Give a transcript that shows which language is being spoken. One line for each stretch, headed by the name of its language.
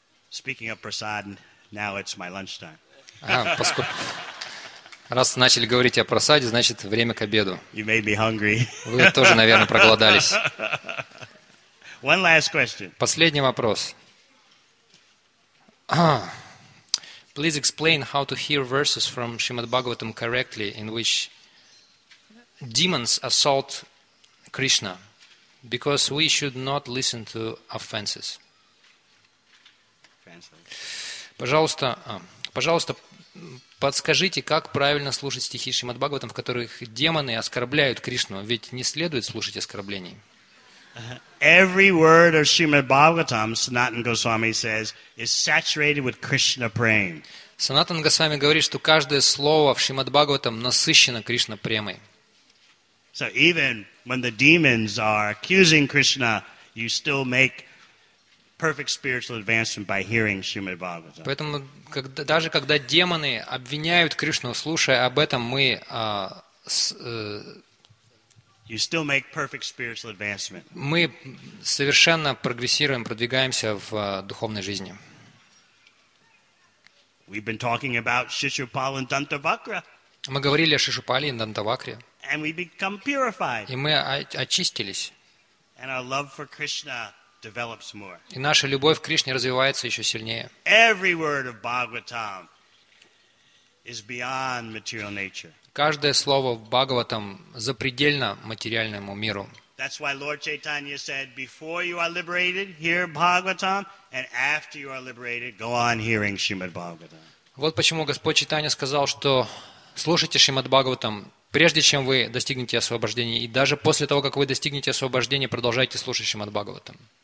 English: Speaking of prasad, now it's my lunchtime.
Russian: Раз начали говорить о просаде, значит, время к обеду.
English: You made me hungry.
Russian: Вы тоже, наверное, проголодались.
English: One last question.
Russian: Последний вопрос.
English: Please explain how to hear verses from Shrimad Bhagavatam correctly, in which demons assault Krishna, because we should not listen to offenses.
Russian: Пожалуйста, пожалуйста, подскажите, как правильно слушать стихи Шримад Бхагаватам, в которых демоны оскорбляют Кришну, ведь не следует слушать оскорблений.
English: Every word of Shrimad Bhagavatam, Sanatana Goswami says, is saturated with Krishna prema.
Russian: Санатана Госвами говорит, что каждое слово в Шримад Бхагаватам насыщено Кришна премой.
English: So even when the demons are accusing Krishna, you still make perfect spiritual advancement by hearing Shrimad Bhagavatam.
Russian: Поэтому даже когда демоны обвиняют Кришну, слушая об этом, мы
English: you still make perfect spiritual advancement.
Russian: Мы совершенно прогрессируем, продвигаемся в духовной жизни.
English: We've been talking about Shishupala and Dantavakra.
Russian: Мы говорили о Шишупале и Дантавакре.
English: And we become purified.
Russian: И мы очистились.
English: And our love for Krishna develops more.
Russian: И наша любовь к Кришне развивается еще сильнее.
English: Every word of Bhagavatam is beyond material nature.
Russian: Каждое слово в Бхагаватам запредельно материальному миру.
English: That's why Lord Chaitanya said, before you are liberated, hear Bhagavatam, and after you are liberated, go on hearing Shrimad Bhagavatam.
Russian: Вот почему Господь Чайтанья сказал, что слушайте Шримад Бхагаватам, прежде чем вы достигнете освобождения, и даже после того, как вы достигнете освобождения, продолжайте слушать Шримад Бхагаватам.